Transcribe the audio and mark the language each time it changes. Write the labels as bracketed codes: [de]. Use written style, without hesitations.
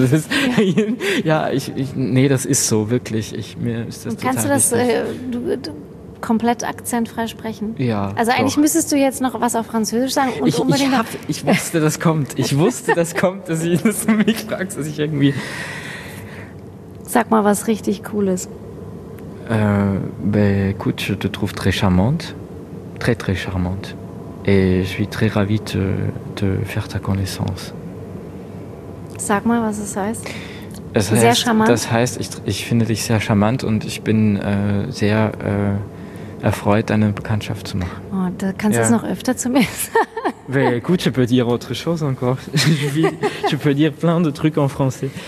[de] Das ist, nee, das ist so, wirklich. Mir ist das total wichtig. Kannst du das, komplett akzentfrei sprechen? Ja. Also eigentlich müsstest du jetzt noch was auf Französisch sagen und ich wusste, das kommt. dass ich das mich fragst, dass ich irgendwie... Sag mal was richtig Cooles. [fr] Écoute, je te trouve très charmante. Très, très charmante. Et je suis très ravi de faire ta connaissance. [de] Sag mal, was es heißt. Es heißt, sehr charmant. Das heißt, ich finde dich sehr charmant und ich bin sehr... erfreut, deine Bekanntschaft zu machen. Oh, da kannst du es noch öfter zu mir sagen. [fr] Gut, je peux dire autre chose encore. Je peux dire plein de trucs en français.